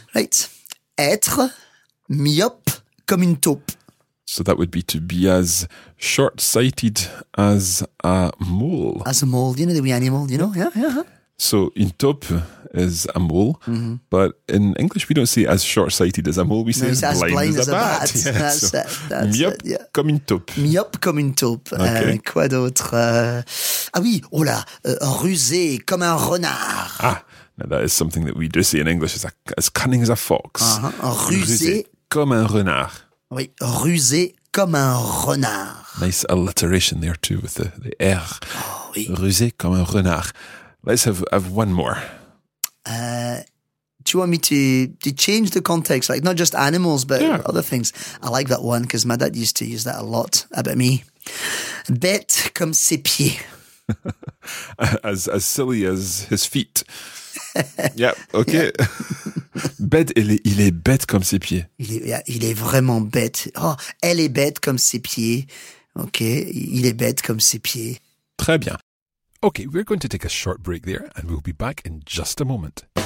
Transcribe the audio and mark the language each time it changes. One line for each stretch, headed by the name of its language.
English: Right.
French: Être myope comme une taupe.
English: So that would be to be as short-sighted as a mole. As a mole, you know, the wee animal, you know, yeah. So in top is a mole, mm-hmm. but in English we don't say as short-sighted as a mole, we say as blind as a bat. Yeah, that's so, that's it,
French: comme une taupe. Myope comme une taupe.
English: Okay.
French: Quoi d'autre? Ah oui, oh là, rusé comme un renard.
English: Ah, now that is something that we do say in English, as cunning as a fox.
French: Uh-huh. Rusé comme un renard. Oui, rusé comme un renard.
English: Nice alliteration there too with the R.
French: Oh, oui. Rusé comme un renard.
English: Let's have one more. Do you want me to change the context? Like not just animals, but yeah. Other things. I like that one because my dad used to use that a lot about me.
French: Bête comme ses pieds.
English: as silly as his feet. Yeah, okay. Yeah.
French: Bête, il est bête comme ses pieds. Il est vraiment bête. Oh, elle est bête comme ses pieds. Okay, il est bête comme ses pieds. Très bien.
English: Okay, we're going to take a short break there and we'll be back in just a moment.